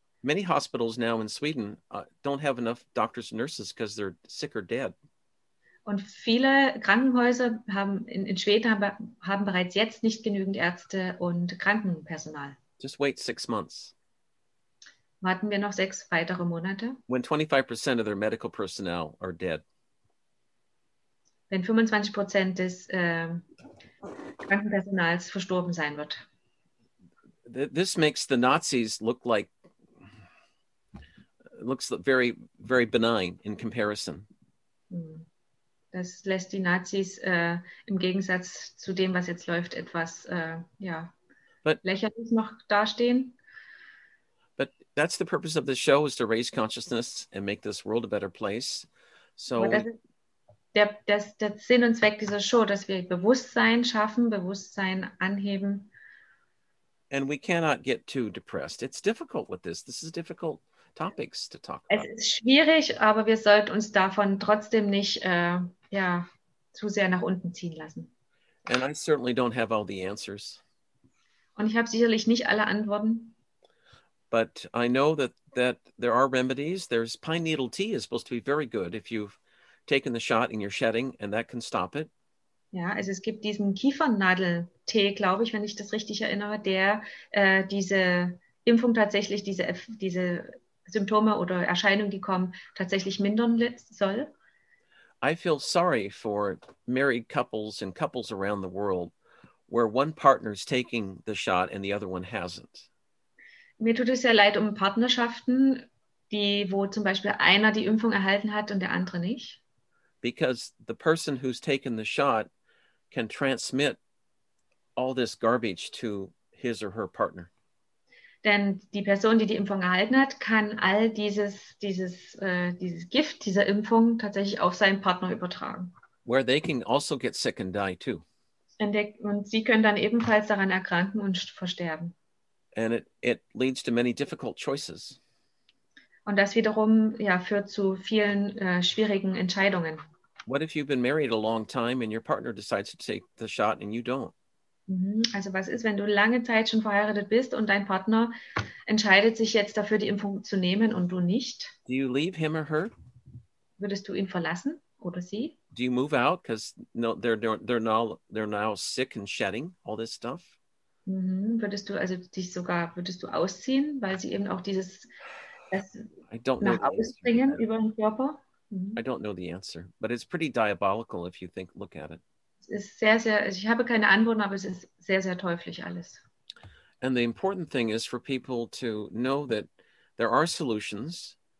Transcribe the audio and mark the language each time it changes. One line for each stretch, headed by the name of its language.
English: Many hospitals now in Sweden don't have enough doctors and nurses because they're sick or dead.
German: Und viele Krankenhäuser haben in Schweden haben bereits jetzt nicht genügend Ärzte und Krankenpersonal.
English: Just wait 6 months.
German: Warten wir noch 6 weitere Monate.
English: When 25% of their medical personnel are dead.
German: Wenn 25% des Krankenpersonals verstorben sein wird.
English: This makes the Nazis looks very, very benign in comparison.
German: Das lässt die Nazis im Gegensatz zu dem, was jetzt läuft, etwas lächerlich noch dastehen.
English: But that's the purpose of the show, is to raise consciousness and make this world a better place. So
German: der Sinn und Zweck dieser Show, dass wir Bewusstsein schaffen, Bewusstsein anheben.
English: And we cannot get too depressed. It's difficult with this. This is difficult. Topics to talk about.
German: Es ist schwierig, aber wir sollten uns davon trotzdem nicht zu sehr nach unten ziehen lassen.
English: And I certainly don't have all the answers.
German: Und ich habe sicherlich nicht alle Antworten.
English: But I know that there are remedies. There's pine needle tea is supposed to be very good if you've taken the shot and you're shedding, and that can stop it.
German: Ja, also es gibt diesen Kiefernadel-Tee, glaube ich, wenn ich das richtig erinnere, der diese Impfung tatsächlich, diese Symptome oder Erscheinungen, die kommen, tatsächlich mindern soll.
English: I feel sorry for married couples and couples around the world where one partner is taking the shot and the other one hasn't.
German: Mir tut es sehr leid um Partnerschaften, wo zum Beispiel einer die Impfung erhalten hat und der andere nicht.
English: Because the person who's taken the shot can transmit all this garbage to his or her partner.
German: Denn die Person, die Impfung erhalten hat, kann all dieses Gift dieser Impfung tatsächlich auf seinen Partner übertragen.
English: Where they can also get sick and die too.
German: Und sie können dann ebenfalls daran erkranken und versterben.
English: And it leads to many difficult choices.
German: Und das wiederum führt zu vielen schwierigen Entscheidungen.
English: What if you've been married a long time and your partner decides to take the shot and you don't?
German: Also was ist, wenn du lange Zeit schon verheiratet bist und dein Partner entscheidet sich jetzt dafür, die Impfung zu nehmen und du nicht?
English: Do you leave him or her?
German: Würdest du ihn verlassen oder sie?
English: Do you move out because they're now sick and shedding all this stuff?
German: Würdest du also dich sogar, würdest du ausziehen, weil sie eben auch dieses
English: I don't
German: nach
English: know
German: ausbringen the über den Körper?
English: I don't know the answer, but it's pretty diabolical if you think, look at it.
German: Ist sehr, sehr, ich habe keine Antwort, aber es ist sehr, sehr teuflisch alles.
English: And the important thing is for people to know that there are solutions.